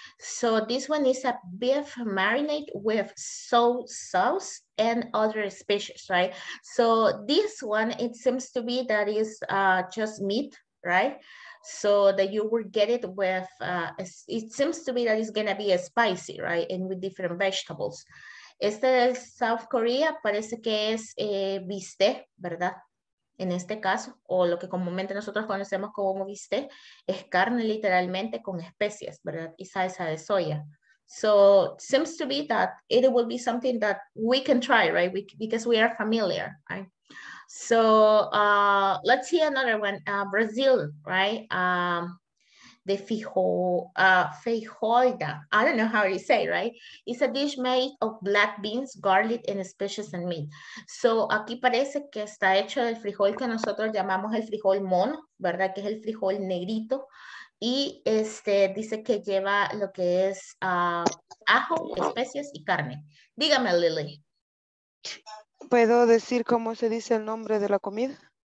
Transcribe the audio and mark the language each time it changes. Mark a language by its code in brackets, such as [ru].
[en] So this one is a beef marinade with soy sauce and other species, right? So this one, it seems to be that is just meat, right? So that you will get it with, it seems to be that it's gonna be spicy, right? And with different vegetables. [es] Este de South Korea parece que es bistec, ¿verdad? En este caso, o lo que comúnmente nosotros conocemos como bistec, es carne literalmente con especias, ¿verdad? Y salsa de soya. [en] So seems to be that it will be something that we can try, right? Because we are familiar, right? So let's see another one, Brazil, right? the feijoada. I don't know how you say it, right? It's a dish made of black beans, garlic, and especies and meat. [es] So aquí parece que está hecho del frijol que nosotros llamamos el frijol mono, ¿verdad? Que es el frijol negrito. Y este dice que lleva lo que es ajo, especies y carne. Dígame, Lily. ¿Puedo decir cómo se dice el nombre de la comida?